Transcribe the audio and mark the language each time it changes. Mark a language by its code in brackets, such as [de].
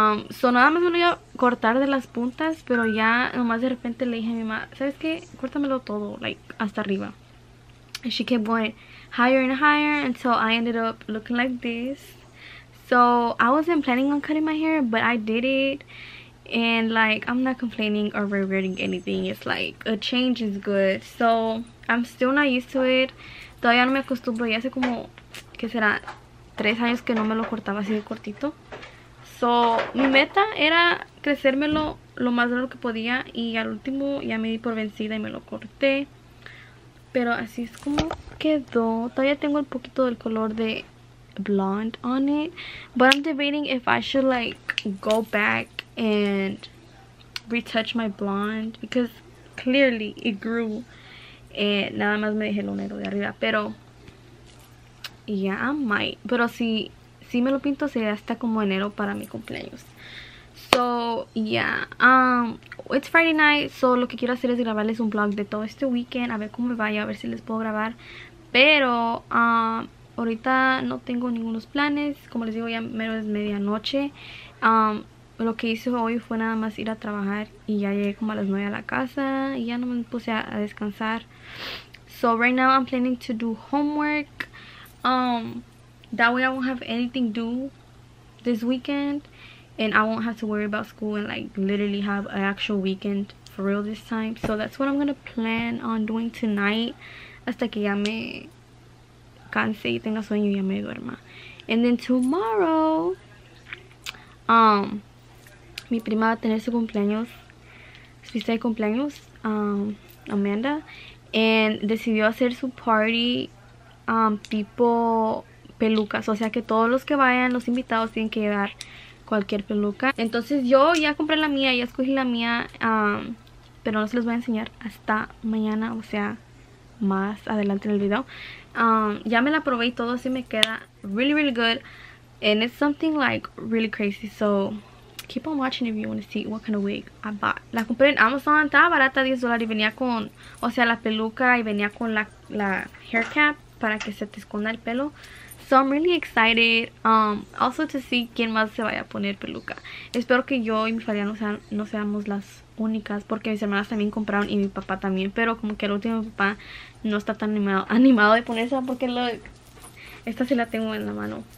[es] So nada más me voy a cortar de las puntas, pero ya nomás de repente le dije a mi mamá, ¿sabes qué? Córtamelo todo, like, hasta arriba. [en] And she kept going higher and higher until I ended up looking like this. So I wasn't planning on cutting my hair, but I did it. And like, I'm not complaining or regretting anything. It's like, a change is good. So I'm still not used to it. [es] Todavía no me acostumbro. Ya hace como, ¿qué será? 3 años que no me lo cortaba así de cortito. So, mi meta era crecérmelo lo más largo que podía y al último ya me di por vencida y me lo corté. Pero así es como quedó. Todavía tengo un poquito del color de [en] blonde on it. But I'm debating if I should like go back and retouch my blonde, because clearly it grew. [es] Nada más me dejé lo negro de arriba, pero [en] yeah, I might. [es] Pero si... si me lo pinto, sería hasta como enero para mi cumpleaños. [en] So, yeah. It's Friday night. [es] So, lo que quiero hacer es grabarles un vlog de todo este weekend. A ver cómo me vaya. A ver si les puedo grabar. Pero, ahorita no tengo ningunos planes. Como les digo, ya mero es medianoche. Lo que hice hoy fue nada más ir a trabajar. Y ya llegué como a las 9 a la casa. Y ya no me puse a descansar. [en] So, right now I'm planning to do homework. That way I won't have anything due this weekend and I won't have to worry about school and like literally have an actual weekend for real this time. So that's what I'm gonna plan on doing tonight [es] hasta que ya me canse y tenga sueño y ya me duerma. [en] And then tomorrow, [es] mi prima va a tener su cumpleaños, su fiesta de cumpleaños, Amanda, and decidió hacer su party tipo pelucas, o sea que todos los que vayan, los invitados, tienen que llevar cualquier peluca. Entonces yo ya compré la mía, ya escogí la mía, pero no se los voy a enseñar hasta mañana, o sea, más adelante en el video. Ya me la probé y todo, así me queda [en] really, really good. And it's something like really crazy, so keep on watching if you want to see what kind of wig I bought. [es] La compré en Amazon, estaba barata, $10, y venía con, o sea, la peluca y venía con la hair cap para que se te esconda el pelo. [en] So I'm really excited, also to see [es] quién más se vaya a poner peluca. Espero que yo y mi familia no seamos las únicas, porque mis hermanas también compraron y mi papá también, pero como que el último papá no está tan animado de ponerse, porque look, esta sí la tengo en la mano.